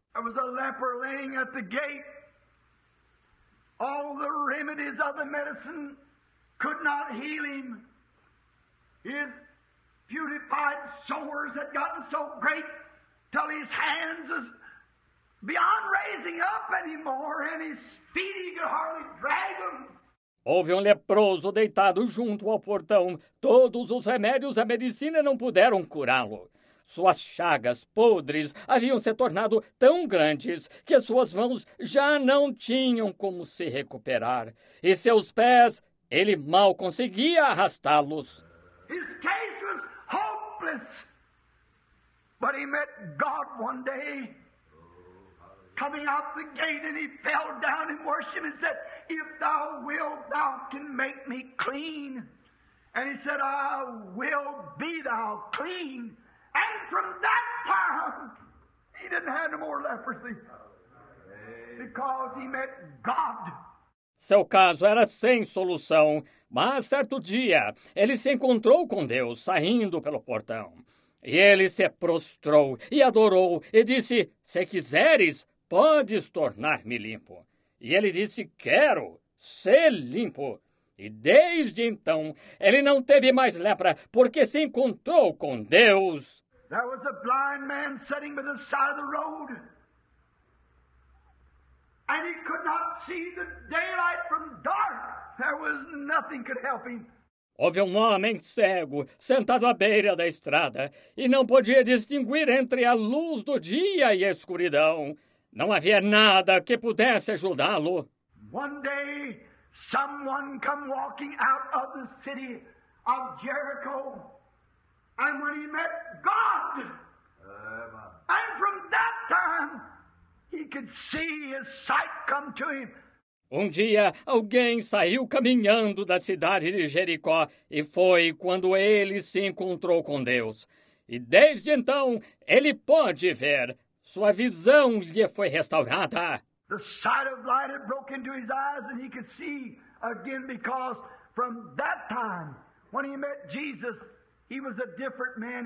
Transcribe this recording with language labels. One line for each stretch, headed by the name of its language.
English: There was a leper laying at the gate. All the remedies of the medicine could not heal him. His putrefied sores had gotten so great till his hands was beyond raising up anymore, and his feet he could hardly drag them.
Portuguese: Houve um leproso deitado junto ao portão. Todos os remédios da medicina não puderam curá-lo. Suas chagas podres haviam se tornado tão grandes que suas mãos já não tinham como se recuperar. E seus pés, ele mal conseguia arrastá-los.
English: His case was hopeless, but he met God one day, coming out the gate, and he fell down in worship and said, "If thou wilt, thou can make me clean." And he said, "I will be thou clean." And from that time, he didn't have no more leprosy, because he met God.
Portuguese: Seu caso era sem solução, mas certo dia ele se encontrou com Deus saindo pelo portão. E ele se prostrou e adorou e disse, "Se quiseres, podes tornar-me limpo." E ele disse, "Quero ser limpo." E desde então ele não teve mais lepra porque se encontrou com Deus.
English: There was a blind man sitting by the side of the road. And he could not see the daylight from dark. There was nothing could help him.
Portuguese: Houve um homem cego sentado à beira da estrada e não podia distinguir entre a luz do dia e a escuridão. Não havia nada que pudesse ajudá-lo.
English: One day, someone came walking out of the city of Jericho. And when he met God, and from that time, he could see his sight come to him.
Portuguese: Um dia, alguém saiu caminhando da cidade de Jericó e foi quando ele se encontrou com Deus. E desde então, ele pode ver. Sua visão lhe foi restaurada.
English: The sight of light had broken into his eyes and he could see again because from that time, when he met Jesus, he was a different man.